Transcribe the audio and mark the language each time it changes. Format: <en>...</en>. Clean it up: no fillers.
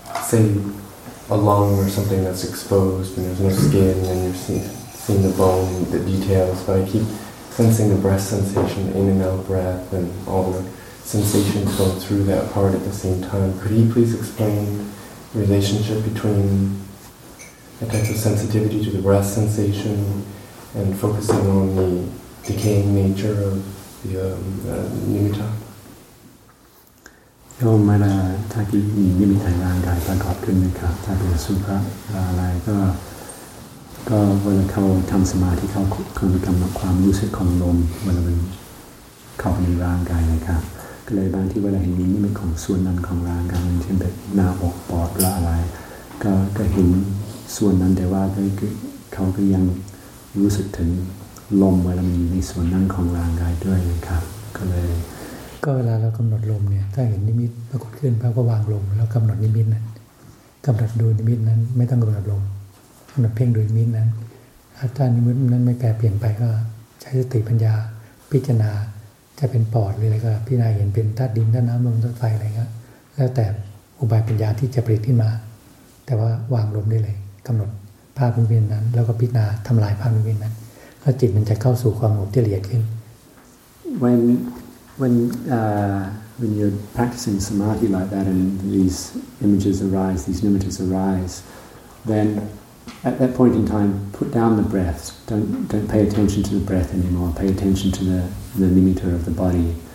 <en>say a lung or something that's exposed and there's no skin and you're seeing the bone, the details, but I keep sensing the breath sensation, the in and out breath and all the sensations going through that part at the same time. Could he please explain the relationship between a type of sensitivity to the breath sensation and focusing on the decaying nature of the nimitta?</en> <th>โยมมาแล้วถ้าที่มีนิมิตในร่างกายประกอบขึ้นนะครับถ้าเป็นสุภาพอะไรก็เวลาเขาทำสมาธิเขาคงมีกำลังความรู้สึกของลมเวลามันเข้าในร่างกายนะครับก็เลยบางที่เวลาเห็นนิมิตของส่วนนั้นของร่างกายเช่นแบบหน้าอกปอดหรืออะไรก็เห็นส่วนนั้นแต่ว่าเขาก็ยังรู้สึกถึงลมเวลามีในส่วนนั้นของร่างกายด้วยนะครับก็เลย ก็เวลาเรากำหนดลมเนี่ยถ้าเห็นนิมิตปรากฏขึ้นแล้วก็วางลมแล้วกำหนดนิมิตนั้นกำหนดดูนิมิตนั้นไม่ต้องกำหนดลมกำหนดเพ่งดูนิมิตนั้นถ้านิมิตนั้นไม่แปรเปลี่ยนไปก็ใช้สติปัญญาพิจารณาจะเป็นปอดหรืออะไรก็พิจารณาเห็นเป็นธาตุดินธาตุน้ำลมธาตุไฟอะไรก็แล้วแต่อุบายปัญญาที่จะผลิตขึ้นมาแต่ว่าวางลมได้เลยกำหนดภาพนิมิตนั้นแล้วก็พิจารณาทำลายภาพนิมิตนั้นก็จิตมันจะเข้าสู่ความสงบที่ละเอียดขึ้น</th> <en>When you're practicing samadhi like that and these images arise, these nimittas arise, then at that point in time, put down the breath. Don't pay attention to the breath anymore. Pay attention to the nimitta of the body.</en>